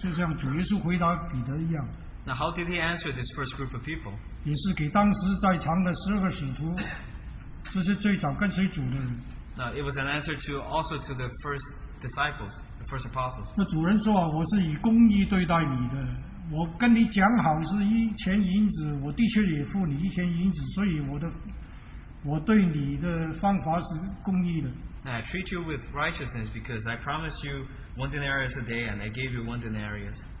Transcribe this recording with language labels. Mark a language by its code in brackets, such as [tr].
[zh] 那主人回答这第一批受苦的人怎么说呢？就像主耶稣回答彼得一样。 [en] Now how did he answer this first group of people? [zh] 也是给当时在场的十二个使徒，这是最早跟随主的人。 [en] Now it was an answer to also to the first disciples, the first apostles. [zh] 那主人说啊，我是以公义对待你的，我跟你讲好是一钱银子，我的确也付你一钱银子，所以我对你的方法是公义的。 [en] And I treat you with righteousness because I promise you 1 denarius a day and I gave you 1 denarius.